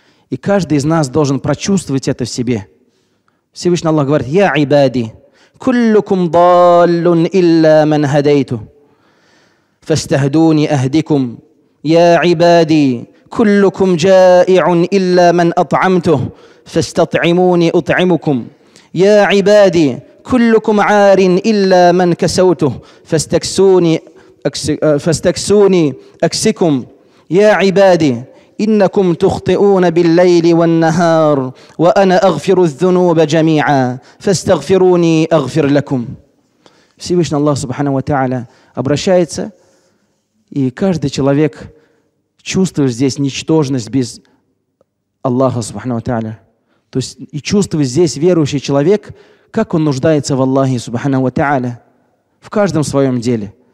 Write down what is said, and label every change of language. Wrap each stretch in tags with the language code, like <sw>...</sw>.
<ru>И каждый из нас должен прочувствовать это в себе. Всевышний Аллах говорит:</ru> <ar>«Я ибади, куллюкум даллун илля ман хадейту, фастахдуни ахдикум, я ибади, куллюкум джаиун илля ман атамту». فاستطعموني أطعمكم يا عبادي كلكم عار إلا من كسوته فاستكسوني أكسكم يا عبادي إنكم تخطئون بالليل والنهار وأنا أغفر الذنوب جميعا فاستغفروني أغفر لكم.</ar> <ru>Всевышний Аллах Субхана ва Та'аля обращается, и каждый человек чувствует здесь ничтожность без Аллаха Субхана ва Та'аля. То есть и чувствует здесь верующий человек, как он нуждается в Аллахе, субхана ва та'аля, в каждом своем деле.</ru>